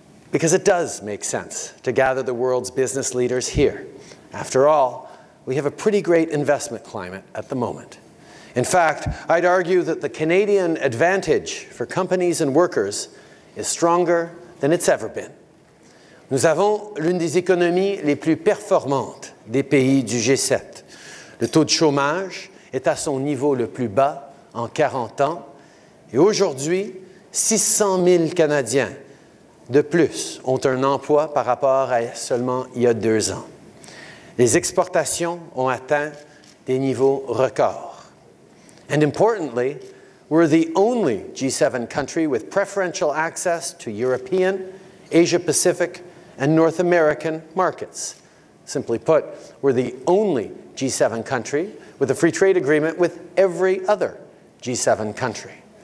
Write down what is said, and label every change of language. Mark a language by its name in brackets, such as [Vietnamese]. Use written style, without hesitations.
[English] Because it does make sense to gather the world's business leaders here. After all, we have a pretty great investment climate at the moment. In fact, I'd argue that the Canadian advantage for companies and workers is stronger than it's ever been. [French] Nous avons l'une des économies les plus performantes des pays du G7. Le taux de chômage est à son niveau le plus bas en 40 ans. Et aujourd'hui, 600 000 Canadiens de plus ont un emploi par rapport à seulement il y a 2 ans. Les exportations ont atteint des niveaux records. [English] And importantly, we're the only G7 country with preferential access to European, Asia-Pacific, and North American markets. Simply put, we're the only G7 country with a free trade agreement with every other G7 country.